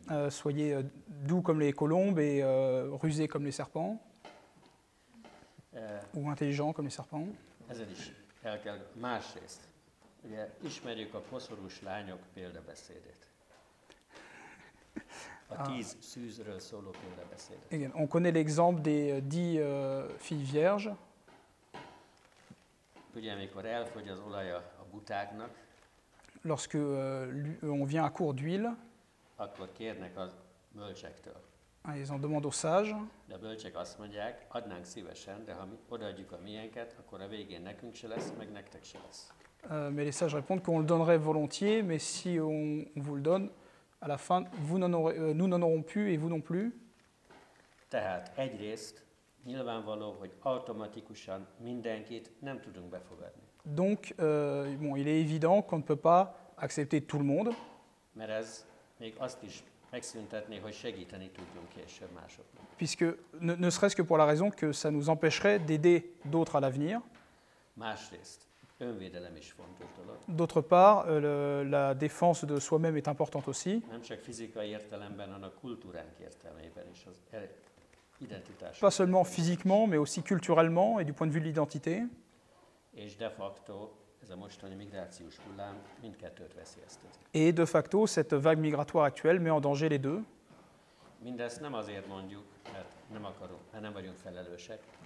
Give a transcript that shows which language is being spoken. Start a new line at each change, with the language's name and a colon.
French: soyez doux comme les colombes et rusés comme les serpents, ou intelligents comme les serpents.
Hungarian: Ezzel is el kell másrészt. Ugye, ismerjük a koszorús lányok példabeszédét. A 10 szűzről szóló példabeszédet. Igen,
French: on connaît l'exemple des 10 filles vierges.
Hungarian: Ugye, amikor elfogy az olaj a butáknak,
French: lorsque on vient à court d'huile,
Hungarian: akkor kérnek a bölcsektől.
French: Ils en demandent aux sages.
Hungarian: De a bölcsek azt mondják, adnánk szívesen, de ha odaadjuk a miénket, akkor a végén nekünk se lesz, meg nektek se lesz.
French: Mais les sages répondent qu'on le donnerait volontiers, mais si on vous le donne, à la fin, nous n'en aurons plus et vous non plus.
Hungarian: Tehát egyrészt nyilvánvaló, hogy automatikusan mindenkit nem tudunk befogadni.
French: Donc, il est évident qu'on ne peut pas accepter tout le monde.
Hungarian: Mert ez még azt is megszüntetné, hogy segíteni tudjunk később másoknak.
French: Puisque, ne serait-ce que pour la raison que ça nous empêcherait d'aider d'autres à l'avenir.
Hungarian: Másrészt. Önvédelem is fontos dolog.
French: D'autre part, la défense de soi-même est importante aussi.
Hungarian: Nem csak fizikai értelemben, hanem a kultúránk értelmében is az identitás.
French: Pas seulement physiquement, mais aussi culturellement et du point de vue de l'identité.
Hungarian: És de facto, ez a mostani migrációs hullám mindkettőt veszélyezteti.
French: Et de facto, cette vague migratoire actuelle met en danger les deux.
Hungarian: Mindezt nem azért mondjuk, mert nem akarunk, mert nem vagyunk felelősek.